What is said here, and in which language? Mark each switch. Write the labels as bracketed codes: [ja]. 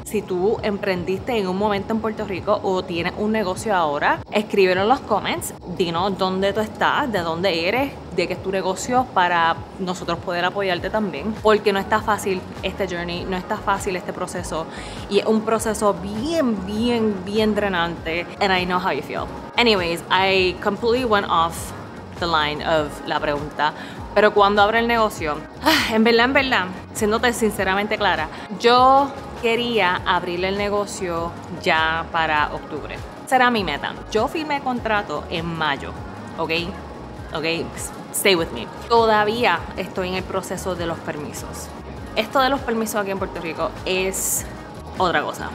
[es] Si tú emprendiste en un momento en Puerto Rico o tienes un negocio ahora, escríbelo en los comments, dinos dónde tú estás, de dónde eres, de qué es tu negocio para nosotros poder apoyarte también, porque no está fácil este journey, no está fácil este proceso y es un proceso bien, bien, bien drenante. [en] And I know how you feel. Anyways, I completely went off the line of [es] la pregunta. Pero ¿cuándo abre el negocio? En verdad, siéndote sinceramente clara, yo quería abrir el negocio ya para octubre. Será mi meta. Yo firmé contrato en mayo, ¿ok? ¿Ok? [en] Stay with me. [es] Todavía estoy en el proceso de los permisos. Esto de los permisos aquí en Puerto Rico es otra cosa.